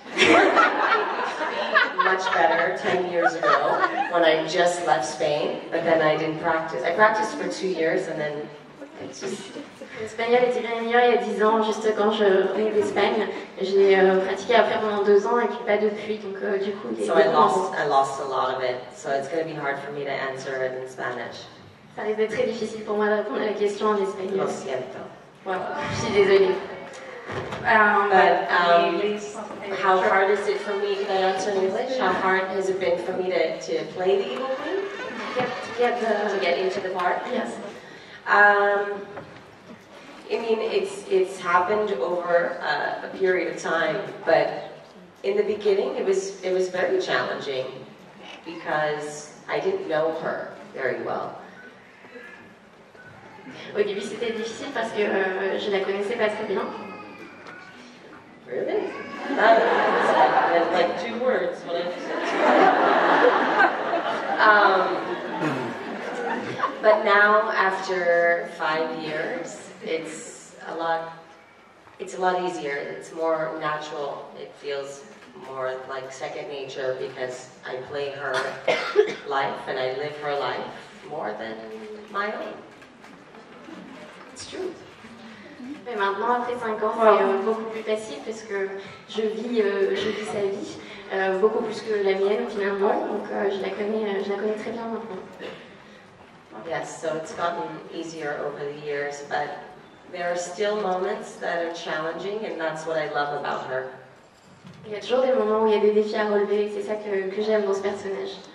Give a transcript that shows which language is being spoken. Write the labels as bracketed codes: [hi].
[en] Much better 10 years ago when I just left Spain, but then I didn't practice. I practiced for 2 years and then it's just... [fr] L'espagnol était bien meilleur il y a 10 ans, juste quand je venais d'Espagne. J'ai pratiqué après pendant 2 ans et puis pas depuis, donc du coup... [en] So I lost a lot of it, so it's going to be hard for me to answer it in Spanish. [fr] Ça risque d'être très difficile pour moi de répondre à la question en espagnol. [es] Lo siento. [fr] Voilà, je suis désolée. [en] How hard is it for me, can I answer in English? How hard has it been for me to play the Evil Queen? To get into the part? Yes. I mean, it's happened over a period of time, but in the beginning it was very challenging because I didn't know her very well. [fr] Au début c'était difficile parce que je la connaissais pas très bien. [en] Really? That was like two words when I said. But now after 5 years, it's a lot easier. It's more natural. It feels more like second nature because I play her life and I live her life more than my own. It's true. [fr] Mais maintenant, après 5 ans, c'est beaucoup plus facile parce que je vis sa vie beaucoup plus que la mienne finalement. Donc je la connais très bien maintenant. [en] Yes, so it's gotten easier over the years, but there are still moments that are challenging, and that's what I love about her. [fr] Il y a toujours des moments où il y a des défis à relever, et c'est ça que j'aime dans ce personnage.